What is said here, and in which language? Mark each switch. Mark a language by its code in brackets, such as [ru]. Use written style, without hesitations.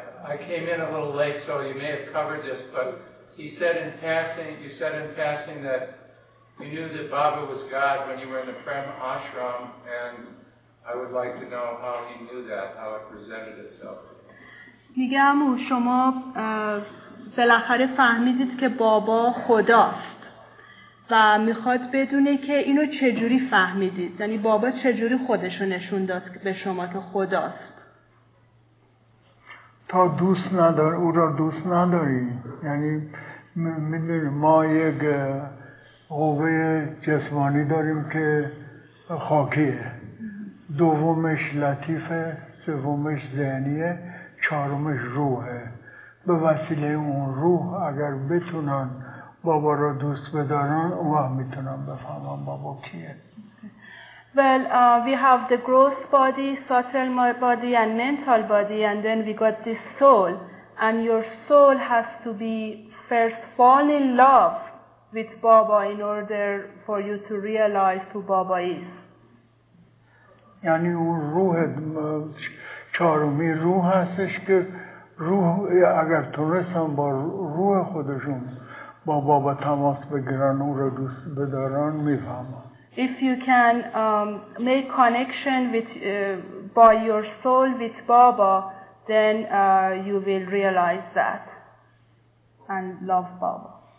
[en] I came in a little late, so you may have covered this, but You said in passing that you knew that Baba was God when you were in the Prem Ashram, and I would like to know how he knew that, how it presented itself. [fa] میگم و شما بالاخره فهمیدید که بابا خداست و میخواد بدونه که اینو چجوری فهمیدید، یعنی بابا چجوری خودشو نشون داد به شما که خداست. تا دوست نداری او را دوست نداری، یعنی میدونی ما یک قوه جسمانی داریم که خاکیه، دومش لطیفه، سومش ذهنیه، چهارمش روحه. به وسیله اون روح اگر بتونن بابا را دوست بدارن، اون وقت میتونن بفهمن بابا کیه. [en] Well, we have the gross body, subtle body, and mental body, and then we got this soul. And your soul has to be first fall in love with Baba in order for you to realize who Baba is. [fa] یعنی اون روح چهارمی روح هستش که روح اگر تونستن با روح خودشون با بابا تماس بگیرن اون رو دوست بدارن میفهمن. [en] If you can make connection with by your soul with Baba, then you will realize that and love Baba.